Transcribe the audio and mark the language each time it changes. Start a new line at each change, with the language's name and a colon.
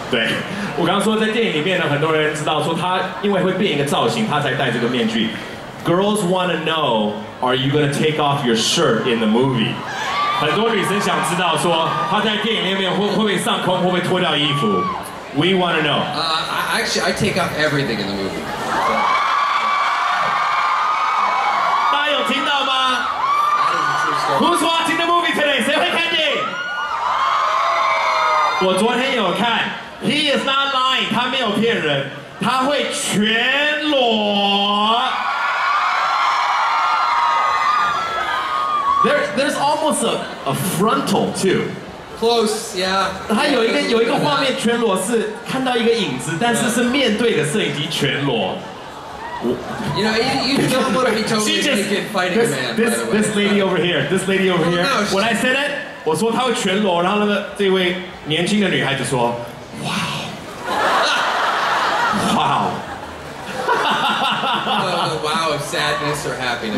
Chinese: 对，我刚刚说在电影里面呢，很多人知道说他因为会变一个造型，他才戴这个面具。
English: Girls want to know, are you gonna take off your shirt in the movie?
Chinese: 很多女生想知道说他在电影里面会不会上空，会不会脱掉衣服。
English: We want to know. Actually, I take off everything in the movie.
Chinese: 大家有听到吗 ？
English: Who's watching the movie today?
Chinese: 谁会看电影？我昨天有看。
English: He is not lying.
Chinese: 他没有骗人。他会全裸。
English: There's almost a frontal too. Close, yeah.
Chinese: 他有一个画面全裸是看到一个影子，但是是面对的摄影机全裸。
English: You know, you don't want to be totally naked fighting a man. This lady over here. No, when I said it,
Chinese: 我说他会全裸，然后那个这位年轻的女孩就说 ，
English: Wow, wow. wow of sadness or happiness?